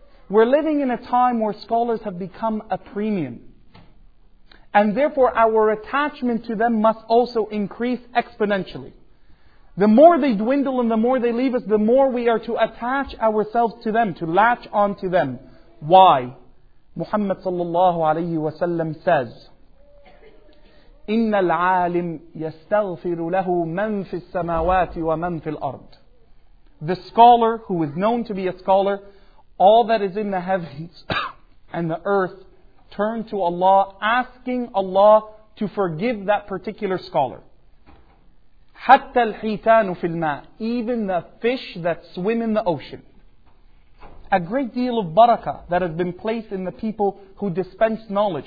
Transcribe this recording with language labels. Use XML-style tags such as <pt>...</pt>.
<en>We're living in a time where scholars have become a premium. And therefore our attachment to them must also increase exponentially. The more they dwindle and the more they leave us, the more we are to attach ourselves to them, to latch on to them. Why? Muhammad sallallahu alayhi wa sallam says,</en> <ar>إِنَّ الْعَالِمْ يَسْتَغْفِرُ لَهُ مَنْ فِي السَّمَاوَاتِ وَمَنْ فِي الْأَرْضِ.</ar> <en>The scholar, who is known to be a scholar, all that is in the heavens and the earth, turn to Allah, asking Allah to forgive that particular scholar.</en> <ar>حَتَّى الْحِيتَانُ فِي الْمَاءِ.</ar> <en>Even the fish that swim in the ocean. A great deal of barakah that has been placed in the people who dispense knowledge.</en>